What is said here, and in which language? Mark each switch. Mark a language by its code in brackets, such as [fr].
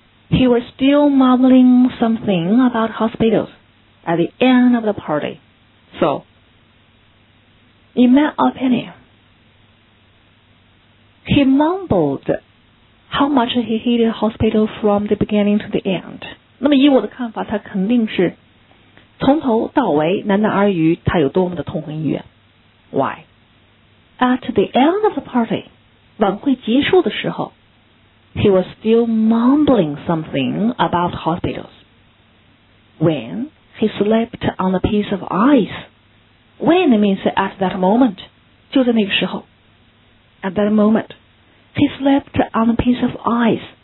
[en] He was still mumbling something about hospitals at the end of the party. SoIn my opinion, he mumbled how much he hated hospital from the beginning to the end. [zh] 那么以我的看法，他肯定是从头到尾喃喃而语，他有多么的痛恨医院。 [en] Why? At the end of the party, [zh] 晚会结束的时候 [en] he was still mumbling something about hospitals. When he slipped on a piece of ice,When means at that moment, [zh] 就在那个时候 [en] At that moment, he slept on a piece of ice.